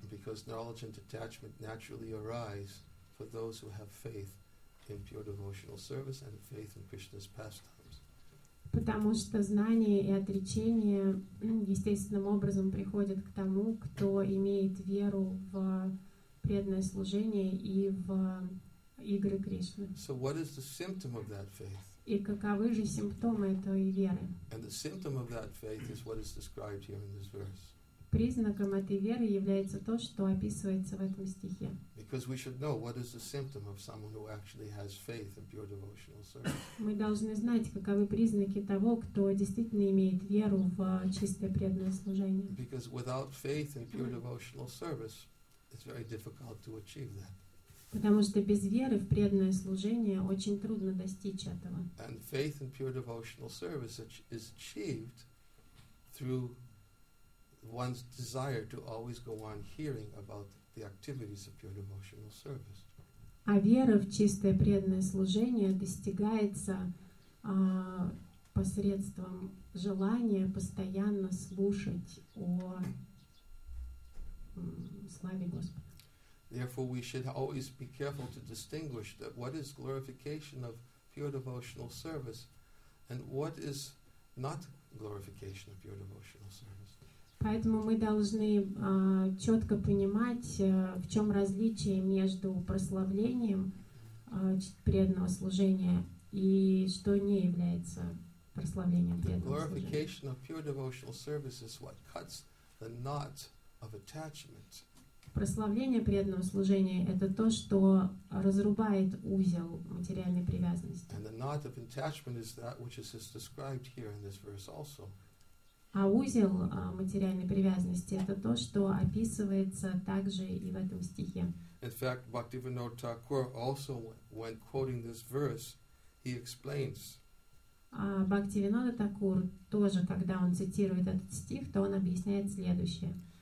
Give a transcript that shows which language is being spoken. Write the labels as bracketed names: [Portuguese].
[English] Because knowledge and detachment naturally arise for those who have faith in pure devotional service and faith in Krishna's pastimes. [Russian] Потому что знание и отречение естественным образом приходят к тому, кто имеет веру в преданное служение и в игры Кришны. [English] So what is the symptom of that faith? [Russian] И каковы же симптомы этой веры? [English] And the symptom of that faith is what is described here in this verse. [Russian] Признаком этой веры является то, что описывается в этом стихе. [English] Because we should know what is the symptom of someone who actually has faith in pure devotional service. [Russian] Мы должны знать, каковы признаки того, кто действительно имеет веру в чистое преданное служение. [English] Because without faith in pure devotional service, it's very difficult to achieve that. [Russian] Потому что без веры в преданное служение очень трудно достичь этого. [English] And faith in pure devotional service is achieved through one's desire to always go on hearing about the activities of pure devotional service. [Russian] А вера в чистое преданное служение достигается посредством желания постоянно слушать о славе Господа. [English] Therefore, we should always be careful to distinguish that what is glorification of pure devotional service and what is not glorification of pure devotional service. [Russian] Поэтому мы должны четко понимать, в чем различие между прославлением преданного служения и что не является прославлением преданного служения. [English] Glorification of pure devotional service is what cuts the knot of attachment [Russian] Прославление преданного служения — это то, что разрубает узел материальной привязанности. [English] And the knot of attachment is that which is described here in this verse also. [Russian] А узел материальной привязанности — это то, что описывается также и в этом стихе. [English] In fact, Bhaktivinoda Thakur also, when quoting this verse, he explains. [Russian] Бхактивинода Такур тоже, когда он цитирует этот стих, то он объясняет следующее.